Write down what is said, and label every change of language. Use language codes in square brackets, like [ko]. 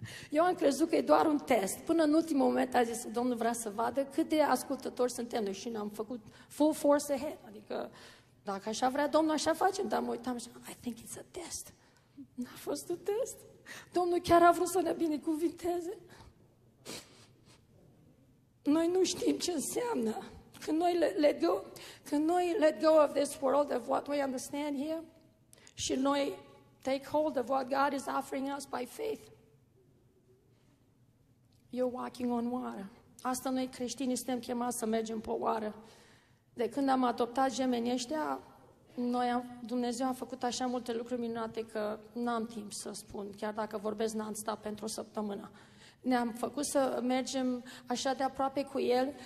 [ro] Eu am crezut că e doar un test. Până în ultimul moment a zis, Domnul vrea să vadă cât de ascultători suntem noi și ne-am făcut [en] full force ahead. [ro] Adică, dacă așa vrea Domnul, așa facem. Dar mă uitam și am zis, [en] I think it's a test. [ro] N-a fost un test. Domnul chiar a vrut să ne binecuvinteze. Noi nu știm ce înseamnă. Când noi [en] let go of this world, of what we understand here, [ro] și noi [en] take hold of what God is offering us by faith, you're walking on water. [ro] Asta noi creștini suntem chemați să mergem pe oară. De când am adoptat gemenii ăștia, Dumnezeu a făcut așa multe lucruri minunate că n-am timp să spun, chiar dacă vorbesc non-stop pentru o săptămână. Ne-am făcut să mergem așa de aproape cu El.